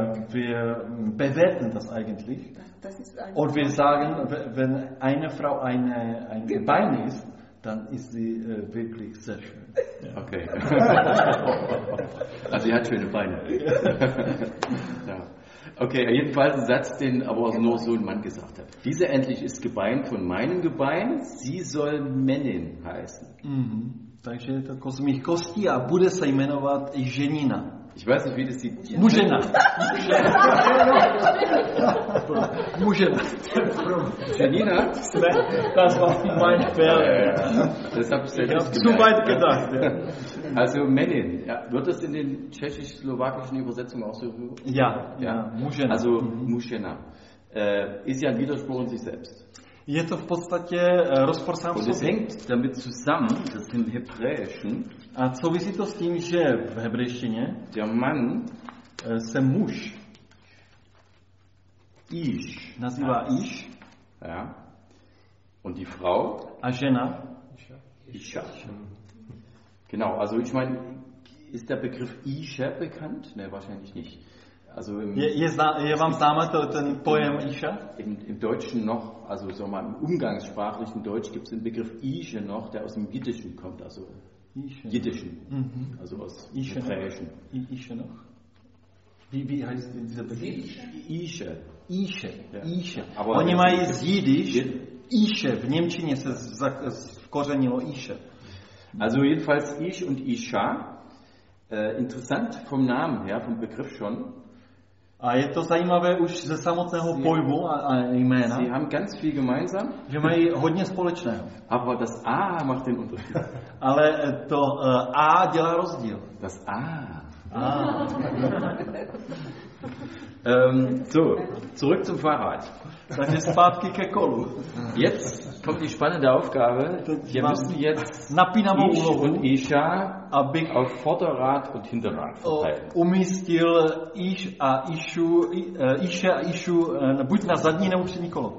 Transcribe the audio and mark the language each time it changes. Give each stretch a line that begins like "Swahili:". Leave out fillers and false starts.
German: Wir bewerten das eigentlich. Und wir sagen, wenn eine Frau ein Gebein ist, dann ist sie wirklich sehr schön. Ja. Okay. Also sie hat schöne Beine. Ja. Okay, jedenfalls ein Satz, den aber auch nur so ein Mann gesagt hat. Diese endlich ist Gebein von meinem Gebein, sie soll Männin heißen. Mhm.
Czech: Takže je to z mých kostí a bude se jmenovat ženina.
German: Ich weiß nicht, wie das die...
Czech: Mužena. Mužena. Ženina?
German: Das war mein Pferd. Das hab ich zu weit gedacht. Also Männin. Ja, wird das in den tschechisch-slowakischen Übersetzungen auch so... Ja. Mužena. Also Mužena. Ist ja ein Widerspruch in sich selbst.
Czech: Je to v podstatě rozpor sám sobě.
German: Hängt damit zusammen, das im Hebräischen.
Czech: A souvisí to s tím, že v hebrejštině
German: der Mann
Czech: se muž Ish nazývá Ish.
German: Ja. Und die Frau
Czech: a žena Isha.
German: Genau, also ich meine, ist der Begriff Isha bekannt? Ne, wahrscheinlich nicht.
Czech: Also je vám známe ten pojem Isha?
German: Im Deutschen noch, also so mal im umgangssprachlichen Deutsch gibt es den Begriff Isha noch, der aus dem Jiddischen kommt, also Jiddischen, also aus Hebräischen. Isha noch. Wie heißt dieser Begriff? Isha. Isha. Isha. Aber
Czech: oni mají z
German: Jiddisch Isha.
Czech: V Němčině se zkořenilo Isha.
German: Also jedenfalls Ish und Isha. Interessant vom Namen her, vom Begriff schon.
Czech: A je to zajímavé už ze samotného pojmu a jména.
German: Sie haben ganz viel gemeinsam.
Czech: Že mají hodně společného.
German: Aber das A macht den Unterschied.
Czech: Ale to A dělá rozdíl.
German: Das A.
Czech: A.
German: So, zurück zum Fahrrad.
Czech: Takže zpátky ke kolu.
German: Jetzt kommt die spannende Aufgabe. Wir müssen jetzt
Czech: napínavou úlohu
German: und Isha auf Vorderrad und Hinterrad verteilen.
Czech: Umístil Isha a Ishu buď na zadní nebo přední kolo.